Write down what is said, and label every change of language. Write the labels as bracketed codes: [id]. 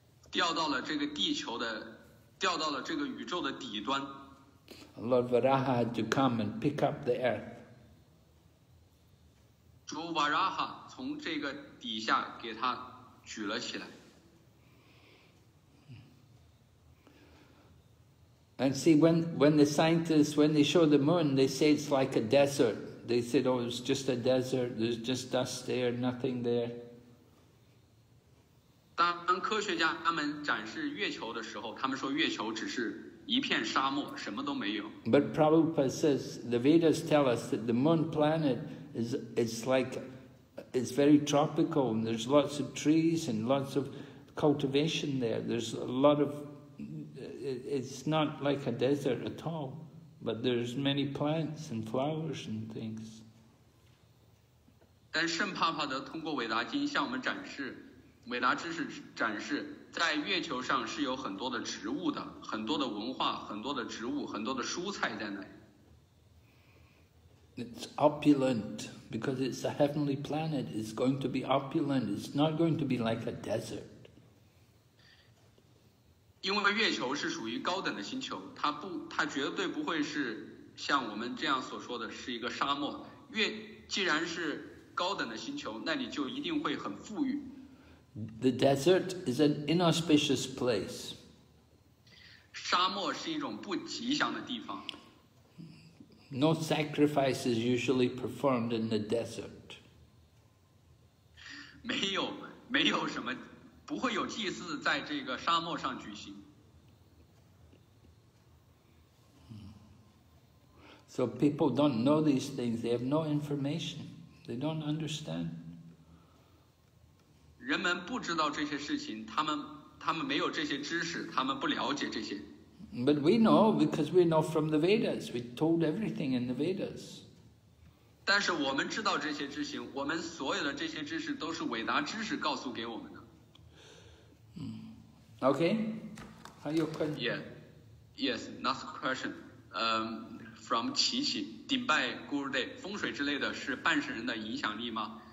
[zh] 掉到了这个地球的，掉到了这个宇宙的底端。 [en] Lord Varaha had to come and pick up the earth. [zh] 主 Varaha 从这个底下给他举了起来。 [en] And see, when the scientists, when they show the moon, they say it's like a desert. They said, oh, it's just a desert, there's just dust there, nothing there. [zh] 当科学家他们展示月球的时候，他们说月球只是一片沙漠，什么都没有。 [en] But Prabhupada says, the Vedas tell us that the moon planet is very tropical, and there's lots of trees and lots of cultivation there. There's a lot of, it's not like a desert at all, but there's many plants and flowers and things. [zh] 但圣帕帕德通过伟达经向我们展示，伟达知识展示，在月球上是有很多的植物的，很多的文化，很多的植物，很多的蔬菜在那。 [en] It's opulent because it's a heavenly planet. It's going to be opulent. It's not going to be like a desert. [zh] 因为月球是属于高等的星球，它绝对不会是像我们这样所说的是一个沙漠。月既然是高等的星球，那里就一定会很富裕。 [en] The desert is an inauspicious place. [zh] 沙漠是一种不吉祥的地方。 [en] No sacrifice is usually performed in the desert. [zh] 没有什么，不会有祭祀在这个沙漠上举行。 [en] So people don't know these things. They have no information. They don't understand. [zh] 人们不知道这些事情，他们没有这些知识，他们不了解这些。 [en] But we know because we know from the Vedas. We told everything in the Vedas. [zh] 但是我们知道这些知识，我们所有的这些知识都是伟达知识告诉给我们的。 [en] Okay. Are you okay? Yeah. Yes. Last question. From [zh] 琪琪 Dimbai Gurudev 风水之类的是半神人的影响力吗？